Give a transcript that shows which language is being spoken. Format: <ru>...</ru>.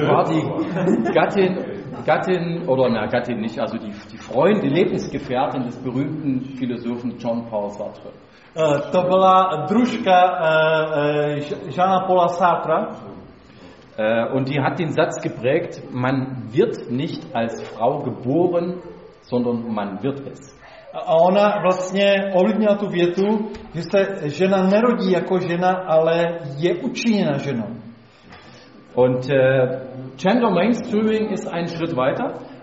<de>Das war die Gattin oder na Gattin nicht, also die Freundin, Lebensgefährtin des berühmten Philosophen John Paul Sartre.</de> <cs>To byla družka Jean-Paul Sartre.</cs> <de>Und die hat den Satz geprägt, man wird nicht als Frau geboren, sondern man wird es.</de> <cs>A ona vlastně ovlivnila tu větu, že se žena nerodí jako žena, ale je učiněna ženou.</cs> <de>Und Gender Mainstreaming ist ein Schritt weiter.</de>